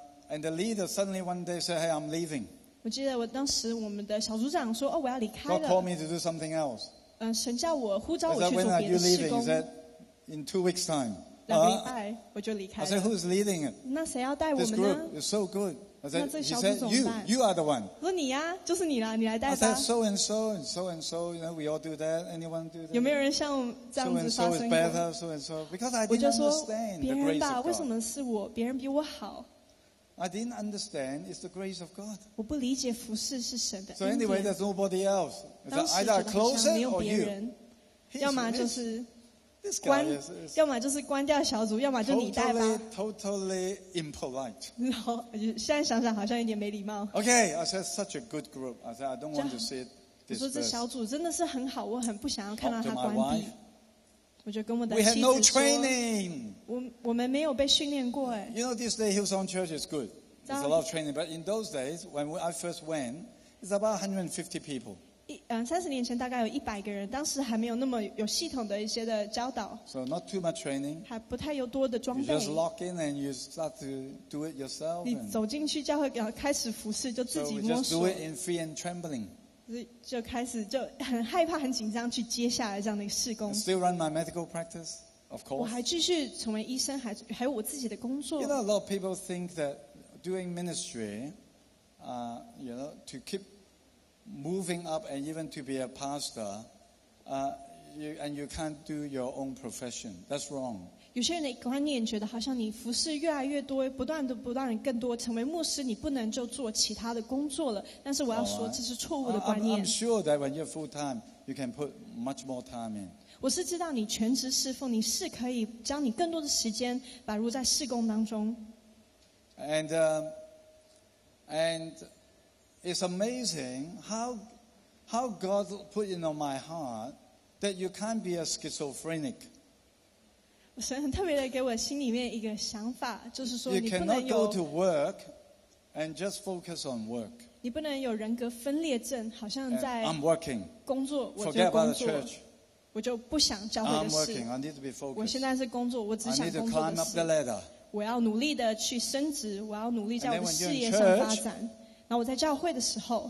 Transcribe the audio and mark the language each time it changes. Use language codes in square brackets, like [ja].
[en] And the leader suddenly one day said, "Hey, I'm leaving." [zh] 我记得我当时我们的小组长说：“哦，我要离开了。 [en] ”God called me to do something else. [zh] 神叫我呼召我去做别的事工。 [en] Is that when are you leaving? Is that in 2 weeks time? [zh] 两个礼拜我就离开了。 [en] I said, "Who is leading it?" [zh] 那谁要带我们呢 [en] ？This group is so good. I said, [zh] 那这小组怎么办 [en] ？You are the one. [zh] 我说你呀，就是你啦，你来带吧。 [en] I said, "So and so and so and so. You know, we all do that. Anyone do that?" [zh] 有没有人像这样子发生过 [en] ？So and so is better. So and so because I didn't understand the grace of God. [zh] 我就说别人吧，为什么是我？别人比我好。 [en] I didn't understand it's the grace of God. [zh] 我不理解服事是神的恩典。 [en] So anyway, there's nobody else. It's either closer or you. [zh] 要么就是关，要么就是关掉小组，要么就你带吧。 [en] Totally impolite. [zh] 现在想想好像有点没礼貌。 [en] Okay, I said such a good group. I said I don't want to see it dispersed. [zh] 我说这小组真的是很好，我很不想要看到它关闭。我就跟我的妻子说 [en] We have no training. [zh] 我们没有被训练过哎。 [en] You know, this day Hillsong Church is good. There's a lot of training, but in those days when I first went, it's about 150 people. [zh] 30年前大概有100个人，当时还没有那么有系统的一些的教导。 [en] So not too much training. [zh] 还不太有多的装备。 [en] You just lock in and you start to do it yourself. [zh] 你走进去教会，然后开始服事，就自己摸索。 [en] So we just do it in fear and trembling. [zh] 就开始就很害怕很紧张去接下来这样的事工 [en] still run my medical practice, of course. [zh] 我还继续成为医生 还有我自己的工作 [en] You know, a lot of people think that doing ministry you know, to keep moving up and even to be a pastor you can't do your own profession That's wrong [zh] 有些人的观念觉得好像你服事越来越多不断的更多成为牧师你不能就做其他的工作了但是我要说这是错误的观念 [en] I'm sure that when you're full time you can put much more time in [zh] 我是知道你全职侍奉你是可以将你更多的时间摆入在事工当中 [en] And it's amazing how God put it on my heartThat you can't be a schizophrenic. [zh] 神很特别的给我心里面一个想法，就是说 [en] you cannot go to work and just focus on work. [zh] 你不能有人格分裂症，好像在 [en] I'm working [zh] 工作，我就工作，我就不想教会的事。 [en] I'm working. I need to be focused. [zh] 我现在是工作，我只想工作的事。 [en] I need to climb up the ladder. [zh] 我要努力的去升职，我要努力在我的事业上发展。然后我在教会的时候